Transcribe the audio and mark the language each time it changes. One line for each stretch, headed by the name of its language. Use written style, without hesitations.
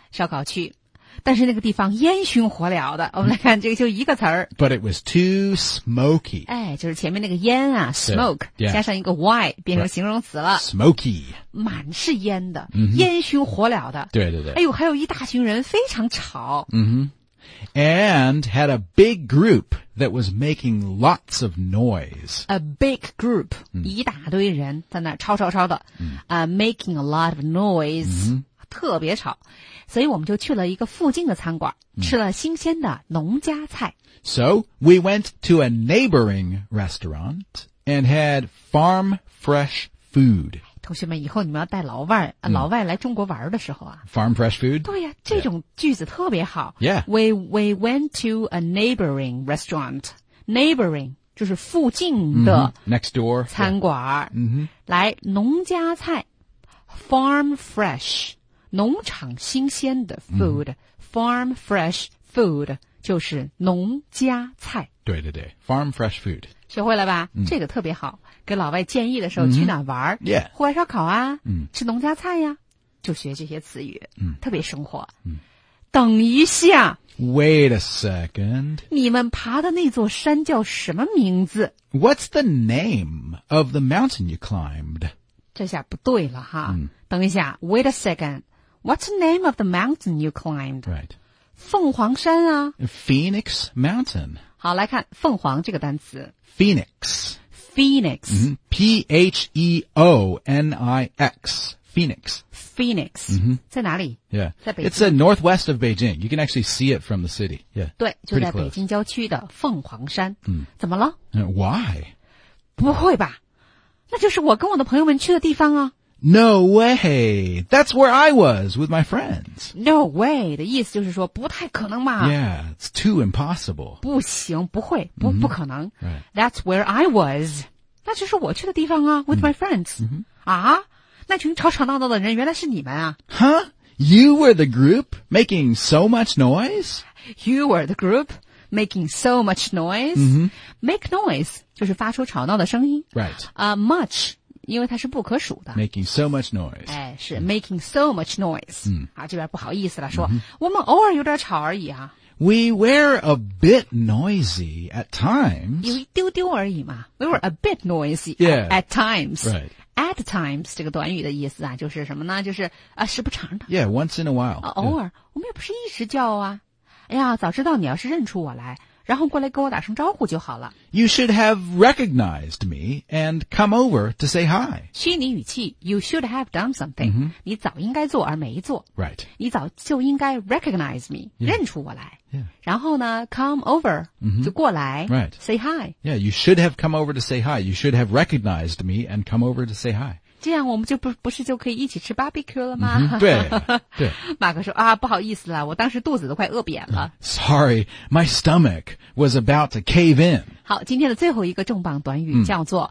Chinese: 烧烤区，但是那个地方烟熏火燎的。我们来看这个，就一个词儿。
English: But it was too smoky.
Chinese: 哎，就是前面那个烟啊 ，smoke、
English: yeah.
Chinese: 加上一个 y 变成形容词了。
English: Right. Smoky，
Chinese: 满是烟的， mm-hmm. 烟熏火燎的。对对对。哎呦，还有一大群人，非常吵。嗯哼。
English: And had a big group that was making lots of noise. A big group,、mm.
Chinese: 一大堆人在那吵吵吵的、 mm.
English: Making a lot of noise,、 mm-hmm.
Chinese: 特别吵。所以我们就去了一个附近的餐馆、mm. 吃了新鲜的农家菜。
English: So we went to a neighboring restaurant and had farm fresh food.
Chinese: 同学们，以后你们要带老外、嗯、老外来中国玩的时候啊
English: ，farm fresh food，
Chinese: 对呀、啊，这种句子特别好。
English: Yeah， we went to a neighboring restaurant.
Chinese: Neighboring 就是附近的
English: next door
Chinese: 餐馆。嗯哼，来农家菜 ，farm fresh， 农场新鲜的 food，
English: farm fresh food
Chinese: 就是农家菜。对对对 ，
English: farm fresh food。
Chinese: 学会了吧、嗯、这个特别好给老外建议的时候、嗯、去哪玩、
English: yeah.
Chinese: 户外烧烤啊、嗯、吃农家菜呀、啊、就学这些词语、嗯、特别生活、嗯、等一下
English: Wait a second
Chinese: 你们爬的那座山叫什么名字
English: What's the name of the mountain you climbed?
Chinese: 这下不对了哈、嗯、等一下
English: Wait a second What's the name of the mountain you climbed? Right
Chinese: 凤凰山啊
English: Phoenix Mountain
Chinese: 好来看凤凰这个单词
English: Phoenix. Phoenix.、 Mm-hmm. Phoenix. Phoenix. Phoenix.、 Mm-hmm.
Chinese: 在哪里
English: Yeah.
Chinese: 在北京
English: It's a northwest of Beijing. You can actually see it from the city. Yeah.
Chinese: 对就在北京郊区的凤凰山。嗯、怎么了
English: Why?
Chinese: 不会吧。那就是我跟我的朋友们去的地方啊。
English: No way. That's where I was with my friends. No way.
Chinese: 的意思就是说不太可能嘛。
English: Yeah, it's too impossible.
Chinese: 不行不会不、mm-hmm. 不可能。
English: Right. That's where I was.
Chinese: 那就是我去的地方啊
English: with、 mm-hmm. my friends.、 Mm-hmm.
Chinese: 啊那群吵吵闹闹的人原来是你们啊。 Huh?
English: You were the group making so much noise? You were the group making so much noise. Mm-hmm.
Chinese: Make noise 就是发出吵闹的声音。
English: Right.
Chinese: Much, 因为它是不可数的。
English: Making so much noise. 哎，是 making so much noise. 嗯，
Chinese: 啊，这边不好意思了，说、mm-hmm. 我们偶尔有点吵而已啊。
English: We were a bit noisy at times.
Chinese: 有一丢丢而已嘛。
English: We were a bit noisy at times. Right.
Chinese: At times, 这个短语的意思啊就是什么呢就是啊时不常的。
English: Yeah, once in a while.、
Chinese: 啊、偶尔、yeah. 我们也不是一直叫啊。哎呀早知道你要是认出我来然后过来跟我打声招呼就好了。
English: You should have recognized me and come over to say hi.
Chinese: 虚拟语气 ,
English: you should have done something.、 Mm-hmm.
Chinese: 你早应该做而没做。
English: Right.
Chinese: 你早就应该
English: recognize me,、
Chinese: yeah. 认出我来。
English: Yeah.
Chinese: 然后呢
English: ,come over,、 mm-hmm.
Chinese: 就过来
English: ,right. Say hi. Yeah, you should have come over to say hi. You should have recognized me and come over to say hi.
Chinese: 这样我们就不是就可以一起吃 BBQ 了吗、 mm-hmm, 对对马克说啊不好意思了我当时肚子都快饿扁了、
English: Sorry, my stomach was about to cave in
Chinese: 好今天的最后一个重磅短语叫做、